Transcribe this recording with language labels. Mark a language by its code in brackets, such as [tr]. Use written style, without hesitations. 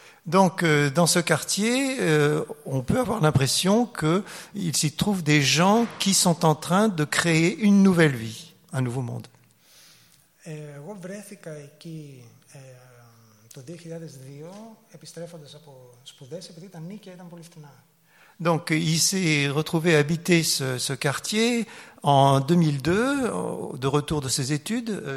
[fr] Donc dans ce quartier, on peut avoir l'impression qu'il s'y trouve des gens qui sont en train de créer une nouvelle vie, un nouveau monde. [el] Εγώ βρέθηκα εκεί το 2002, επιστρέφοντας από σπουδές, επειδή τα νίκια ήταν πολύ φτηνά. [fr] Donc il s'est retrouvé habiter ce quartier en 2002, de retour de ses études